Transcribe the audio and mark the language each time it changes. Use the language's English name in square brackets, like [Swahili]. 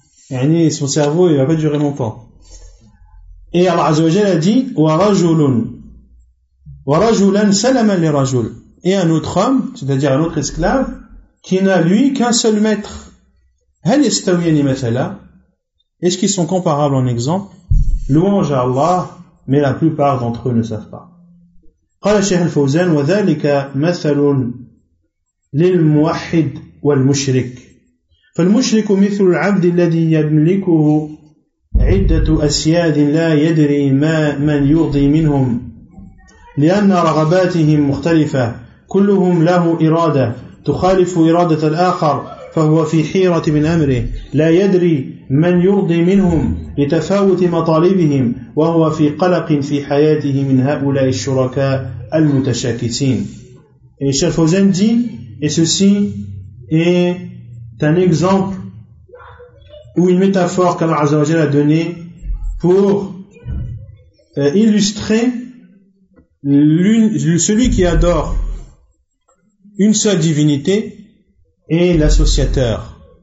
[French] Et son cerveau, il va pas durer longtemps. Et Allah Azza wa Jal a dit, [Arabic] wa rajulun salaman li rajul. [French] Et un autre homme, c'est-à-dire un autre esclave, qui n'a lui qu'un seul maître. [Arabic] Hal yastawiyani mathala? [French] Est-ce qu'ils sont comparables en exemple? Louange à Allah, mais la plupart d'entre eux ne savent pas. [Arabic] قال الشيخ الفوزان وذلك مثل للموحد والمشرك فالمشرك مثل العبد الذي يملكه عدة أسياد لا يدري ما من يرضي منهم لأن رغباتهم مختلفة كلهم له إرادة تخالف إرادة الآخر فهو في حيرة من أمره لا يدري من يرضي منهم لتفاوت مطالبهم وهو في قلق في حياته من هؤلاء الشركاء المتشاكسين. [French] Et Cheikh Fawzan dit, et ceci est un exemple ou une métaphore qu'Allah Azza wa Jal a donné pour illustrer celui qui adore une seule divinité et l'associateur.